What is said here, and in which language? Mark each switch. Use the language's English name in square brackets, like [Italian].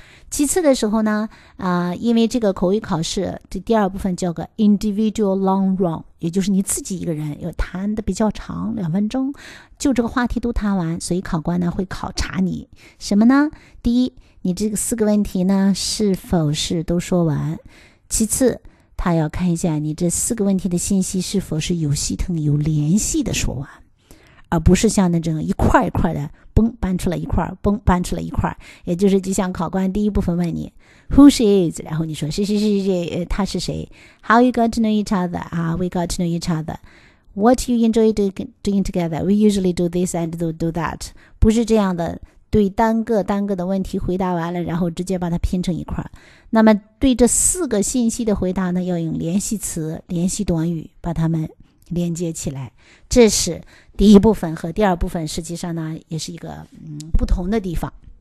[Chinese] 其次的时候呢，因为这个口语考试这第二部分叫个 [English] individual long run, [Chinese] 也就是你自己一个人要谈的比较长，2分钟就这个话题都谈完，所以考官呢会考察你什么呢？第一，你这个4个问题呢是否是都说完，其次，他要看一下你这四个问题的信息是否是有系统有联系的说完，而不是像那种一块一块的嘣搬出来一块，嘣搬出来一块，也就是就像考官第一部分问你 [English] Who she is? [Chinese] 然后你说谁他是谁 [English] How you got to know each other?、We got to know each other. What you enjoy doing together? We usually do this and do that. [Chinese] 不是这样的，对单个单个的问题回答完了，然后直接把它拼成一块。那么对这四个信息的回答呢，要用联系词联系短语把它们连接起来。这是第一部分和第二部分实际上呢也是一个不同的地方。